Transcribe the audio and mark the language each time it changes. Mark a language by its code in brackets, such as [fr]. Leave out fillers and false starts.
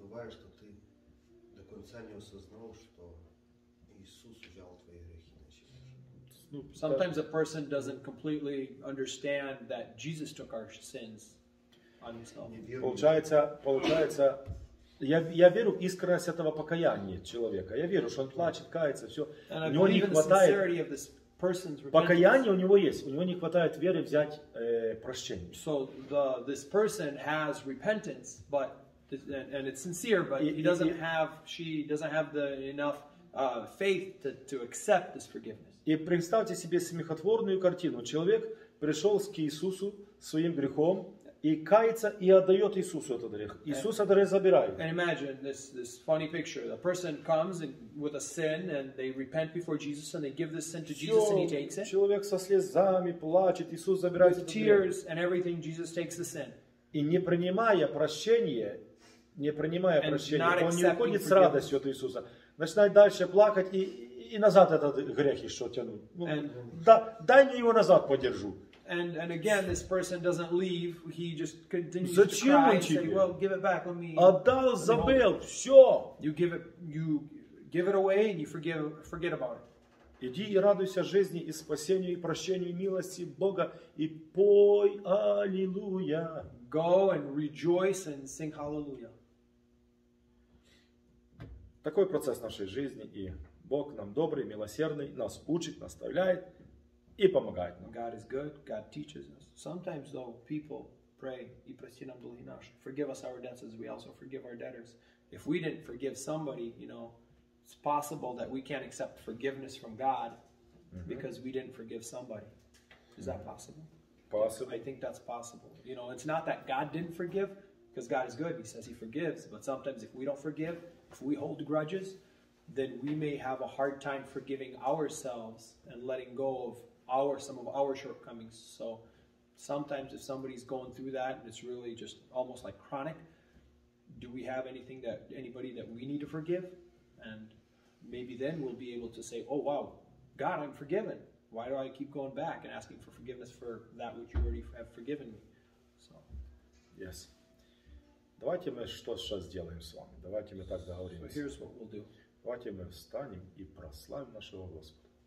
[ru] Что ты до конца не осознал, что Иисус взял твои грехи на себя. [en] Sometimes a person doesn't completely understand that Jesus took our sins on himself. [ru] Получается, я верю в искренность этого покаяния человека. Я верю, что он плачет, кается, все. У него не хватает покаяния, у него есть. У него не хватает веры взять прощение. [en] So this person has repentance, but and it's sincere, but she doesn't have the enough faith to accept this forgiveness. [ru] И представьте себе смехотворную картину. Человек пришел к Иисусу своим грехом и кается и отдает Иисусу этот грех. Иисус этот грех забирает. [en] And imagine this funny picture. A person comes with a sin and they repent before Jesus and they give this sin to Jesus and he takes it. [ru] Человек со слезами плачет, Иисус забирает этот грех. [en] With tears and everything, Jesus takes the sin. [ru] И не принимая прощения, не принимая прощения, он не уходит с радостью от Иисуса. Начинает дальше плакать и назад этот грех еще тянуть. Ну, дай мне его назад подержу. [en] And again, this person doesn't leave. He just continues [ru] Зачем [en] to cry. Said, well, give it back. Let me. [ru] Отдал, забыл. Все. [en] You give it away, and you forget about it. [ru] Иди и радуйся жизни и спасению и прощению и милости Бога и пой аллилуйя. [en] Go and rejoice and sing hallelujah. [ru] Такой процесс нашей жизни, и Бог нам добрый, милосердный, нас учит, наставляет и помогает нам. [en] God is good, God teaches us. Sometimes though people pray, [ru] и прости нам долги наши. [en] Forgive us our debts as we also forgive our debtors. If we didn't forgive somebody, you know, it's possible that we can't accept forgiveness from God because we didn't forgive somebody. Is that possible? Possible. I think that's possible. You know, it's not that God didn't forgive, because God is good. He says he forgives, but sometimes if we don't forgive, if we hold grudges, then we may have a hard time forgiving ourselves and letting go of some of our shortcomings. So sometimes if somebody's going through that and it's really just almost like chronic, do we have anybody that we need to forgive? And maybe then we'll be able to say, oh wow, God, I'm forgiven. Why do I keep going back and asking for forgiveness for that which you already have forgiven me? So yes. [ru] Давайте мы что сейчас сделаем с вами. Давайте мы так договоримся. [en] So here's what we'll do. [ru] Давайте мы встанем и прославим нашего Господа.